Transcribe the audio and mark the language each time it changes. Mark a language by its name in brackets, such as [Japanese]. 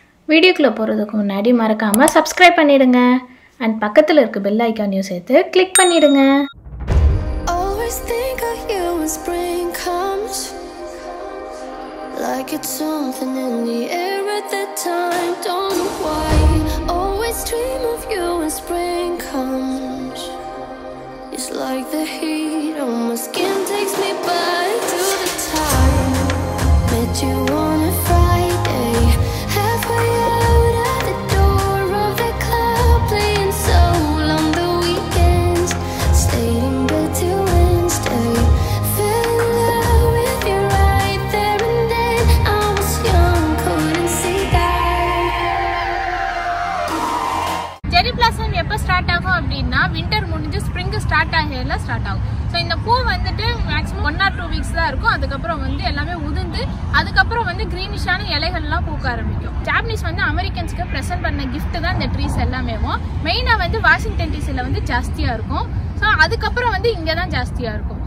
[Tamil] வீடியோக்குள்ளே போகிறதுக்கு முன்னாடி மறக்காமல் சப்ஸ்கிரைப் பண்ணிடுங்க அண்ட் பக்கத்தில் இருக்க பெல் ஐக்கானையும் சேர்த்து கிளிக் பண்ணிடுங்க. [English] Always think of you when spring comes, like it's something in the air at that time. Don't know why, always dream of you when spring comes. It's like the heat on my skin takes me back to the time. Met you on a Friday, halfway out at the door of the club, playing soul on the weekends. Stayed in bed till Wednesday, fell in love with you right there and then. I was young, couldn't see that. Jerry Blossom, when did it start? [Tamil] Winter முடிஞ்சு spring start ஆகல start ஆகும். So இந்த பூ வந்துட்டு maximum one R two weeks தான் இருக்கும். அதுக்கப்புறம் வந்து எல்லாமே உதிர்ந்து அதுக்கப்புறம் வந்து கிரீனிஷான இலைகள்லாம் பூக்க ஆரம்பிக்கும். ஜாப்பனீஸ் வந்து அமெரிக்கன்ஸ்க்கு ப்ரெசென்ட் பண்ண கிஃப்ட் தான் இந்த ட்ரீஸ் எல்லாமே. மெயினாக வந்து வாஷிங்டன் டிசியில் வந்து ஜாஸ்தியாக இருக்கும். ஸோ அதுக்கப்புறம் வந்து இங்கே தான் ஜாஸ்தியாக இருக்கும்.